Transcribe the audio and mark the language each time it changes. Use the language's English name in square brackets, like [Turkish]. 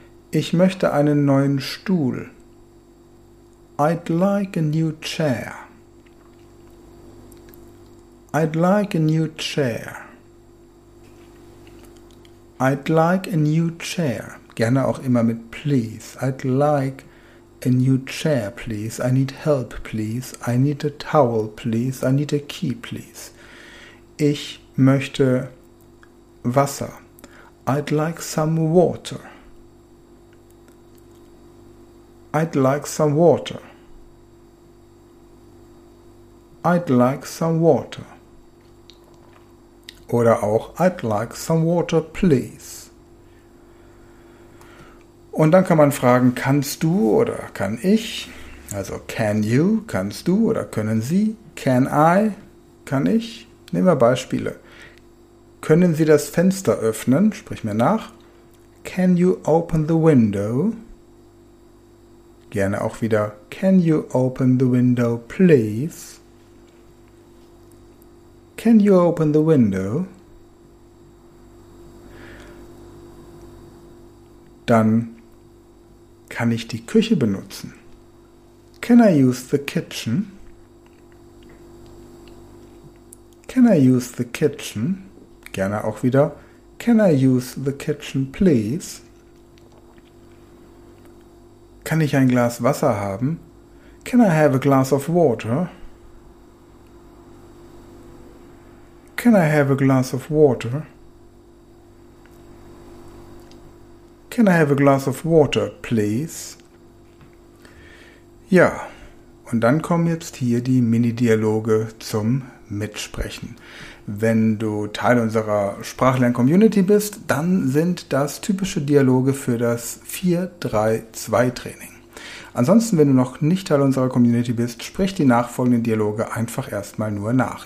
[German] Ich möchte einen neuen Stuhl. [English] I'd like a new chair. I'd like a new chair. I'd like a new chair. [German] Gerne auch immer mit [English] please. I'd like a new chair, please. I need help, please. I need a towel, please. I need a key, please. [German] Ich möchte Wasser. [English] I'd like some water. I'd like some water. I'd like some water. [German] Oder auch, [English] I'd like some water, please. [German] Und dann kann man fragen, kannst du oder kann ich? Also, [English] can you, [German] kannst du oder können Sie? [English] Can I, [German] kann ich? Nehmen wir Beispiele. Können Sie das Fenster öffnen? Sprich mir nach. [English] Can you open the window? [German] Gerne auch wieder, [English] can you open the window, please? Can you open the window? [German] Dann kann ich die Küche benutzen. [English] Can I use the kitchen? Can I use the kitchen? [German] Gerne auch wieder. [English] Can I use the kitchen, please? [German] Kann ich ein Glas Wasser haben? [English] Can I have a glass of water? Can I have a glass of water? Can I have a glass of water, please? [German] Ja, und dann kommen jetzt hier die Mini-Dialoge zum Mitsprechen. Wenn du Teil unserer Sprachlern-Community bist, dann sind das typische Dialoge für das 4-3-2-Training. Ansonsten, wenn du noch nicht Teil unserer Community bist, sprich die nachfolgenden Dialoge einfach erstmal nur nach.